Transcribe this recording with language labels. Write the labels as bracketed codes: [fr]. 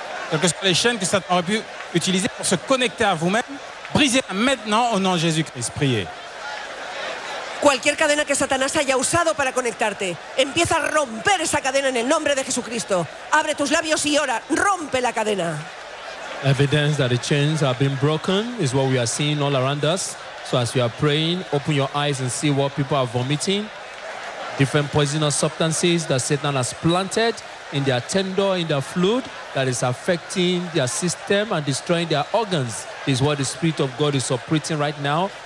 [fr] Quelles que soient les chaînes que Satan aurait pu utiliser pour se connecter à vous-même, brisez-la maintenant au nom de Jésus-Christ. Priez. [es] Cualquier cadena que Satanás haya usado para conectarte, empieza a romper esa cadena en el nombre de Jesucristo. Abre tus labios y ora, rompe la cadena. [en] Evidence that the chains have been broken is what we are seeing all around us. So as you are praying, open your eyes and see what people are vomiting. Different poisonous substances that Satan has planted in their tendon, in their fluid, that is affecting their system and destroying their organs, is what the Spirit of God is operating right now.